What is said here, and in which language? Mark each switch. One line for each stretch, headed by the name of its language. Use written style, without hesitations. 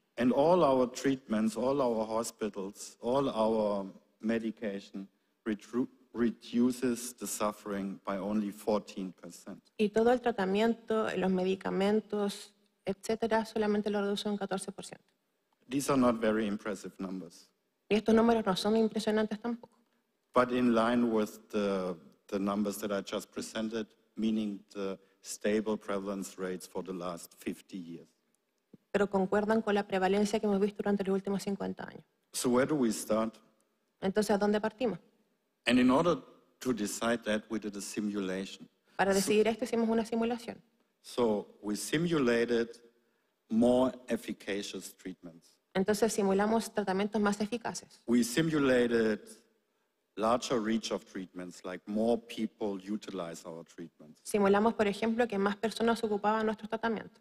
English: And all our treatments, all our hospitals, all our medication reduces the suffering by only 14%.
Spanish: Y todo el tratamiento, los medicamentos, etcétera, solamente lo reduce un 14%.
English: These are not very impressive numbers.
Spanish: Y estos números no son impresionantes tampoco.
English: But in line with the numbers that I just presented, meaning the stable prevalence rates for the last 50 years.
Spanish: Pero concuerdan con la prevalencia que hemos visto durante los últimos 50 años.
English: So where do we start?
Spanish: Entonces, ¿a dónde partimos?
English: And in order to decide that, we did a simulation.
Spanish: Para decidir esto, hicimos una simulación.
English: So we simulated more efficacious treatments.
Spanish: Entonces simulamos tratamientos más eficaces.
English: We simulated larger reach of treatments, like more people utilize our treatments.
Spanish: Simulamos, por ejemplo, que más personas ocupaban nuestros tratamientos.